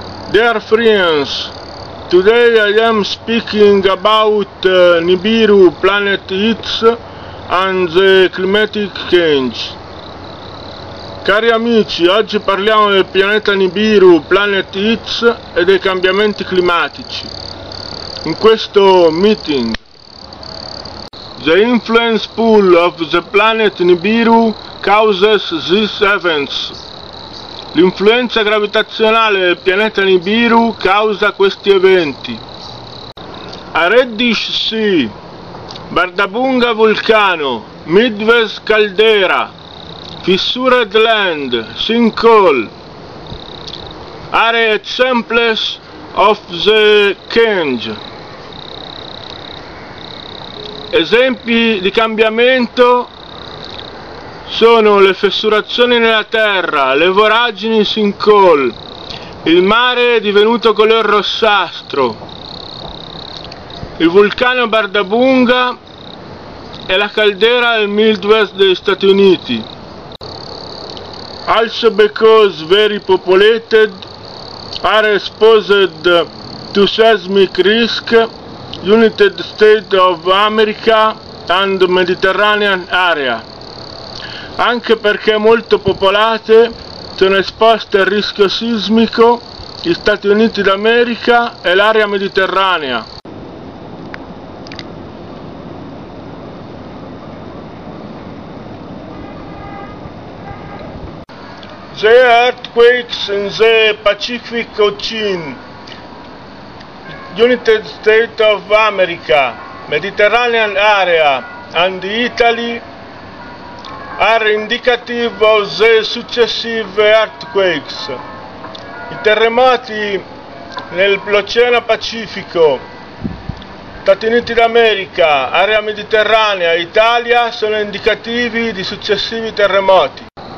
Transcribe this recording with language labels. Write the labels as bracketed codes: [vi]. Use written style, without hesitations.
[en] Dear friends, today I am speaking about Nibiru, Planet X and the climatic change. [it] Cari amici, oggi parliamo del pianeta Nibiru, Planet X e dei cambiamenti climatici. In questo meeting, [en] the influence pool of the planet Nibiru causes these events. [it] L'influenza gravitazionale del pianeta Nibiru causa questi eventi. [en] A Reddish Sea, Bardabunga Vulcano, Midwest Caldera, fissured land, sinkhole, are examples of the change. [it] Esempi di cambiamento sono le fessurazioni nella terra, le voragini sinkhole, il mare è divenuto color rossastro, il vulcano Bardabunga e la caldera del Midwest degli Stati Uniti. [en] Also because very populated are exposed to seismic risk, United States of America and Mediterranean area. [it] Anche perché molto popolate sono esposte al rischio sismico gli Stati Uniti d'America e l'area mediterranea. [en] The earthquakes in the Pacific Ocean, United States of America, Mediterranean area, and Italy are indicative of the successive earthquakes. [it] I terremoti nell'Oceano Pacifico, Stati Uniti d'America, area mediterranea, Italia sono indicativi di successivi terremoti.